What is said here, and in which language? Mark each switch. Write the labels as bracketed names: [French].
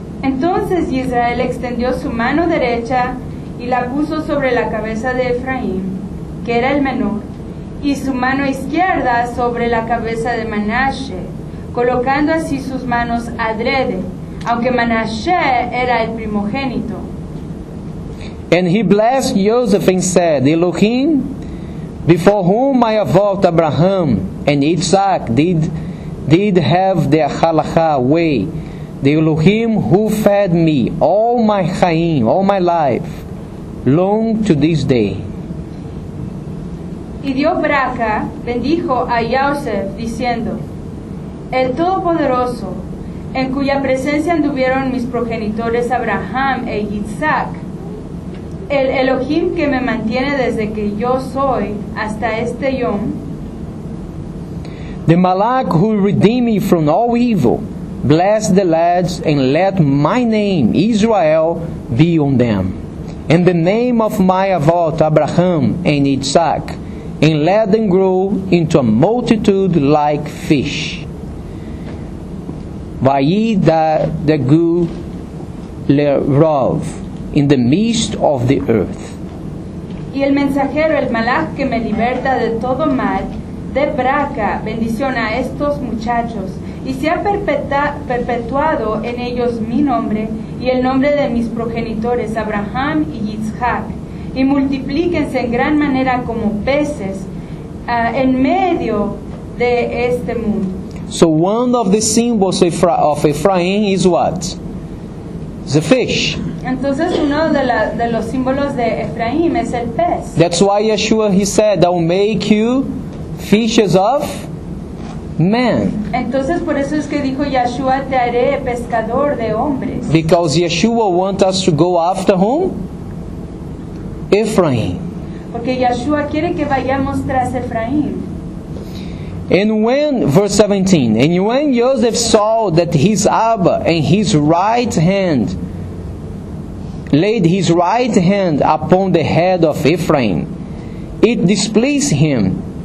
[Spanish] Entonces Israel extendió su mano derecha y la puso sobre la cabeza de Efraín, que era el menor, y su mano izquierda sobre la cabeza de Manasseh, colocando así sus manos adrede, aunque Manasseh era el primogénito. [English] And he blessed Joseph and said, Elohim, before whom I have vowed Abraham and Isaac did have their halakha way, the Elohim who fed me all my chayim, all my life, long to this day. [Spanish] Y dio braca, bendijo a Joseph, diciendo, el Todopoderoso, en cuya presencia anduvieron mis progenitores Abraham e Isaac, el Elohim que me mantiene desde que yo soy hasta este yom, [English] the Malach who redeemed me from all evil, bless the lads and let my name Israel be on them. In the name of my avot Abraham and Isaac, and let them grow into a multitude like fish. [Hebrew] Vayi da degu lerov, [English] in the midst of the earth. [Spanish] Y el mensajero, el malach que me liberta de todo mal, de braca, bendición a estos muchachos, y se ha perpetuado en ellos mi nombre y el nombre de mis progenitores Abraham y Yitzhak, y multiplíquense en gran manera como peces en medio de este mundo. [English] So one of the symbols of Ephraim is what? The fish. [Spanish] Entonces uno de los símbolos de Ephraim es el pez. [English] That's why Yeshua, he said, I will make you fishes of men. [Spanish] Entonces por eso es que dijo Yeshua, te haré pescador de hombres. [English] Because Yeshua wants us to go after whom? Ephraim. [Spanish] Porque Yeshua quiere que vayamos tras Ephraim. [English] And when, verse 17, and when Joseph saw that his Abba and his right hand laid his right hand upon the head of Ephraim, it displeased him.